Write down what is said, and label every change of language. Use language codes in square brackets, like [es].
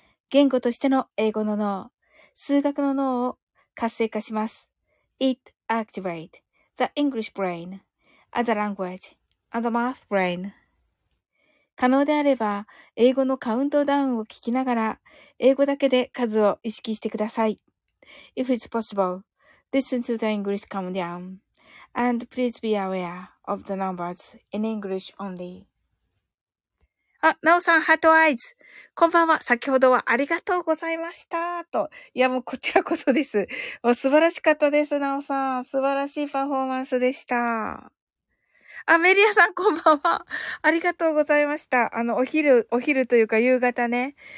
[ja] 言語としての英語の脳、数学の脳を活性化します。 [en] It activate the English brain. As a language, as a math brain. [ja] 可能であれば、英語のカウントダウンを聞きながら、英語だけで数を意識してください。 [en] If it's possible, listen to the English countdown. And please be aware of the numbers in English only. [ja] あ、なおさん、ハートアイズ。こんばんは。先ほどはありがとうございました。と。いや、もうこちらこそです。もう素晴らしかったです、なおさん。素晴らしいパフォーマンスでした。あ、メリアさん、こんばんは。ありがとうございました。お昼というか夕方ね。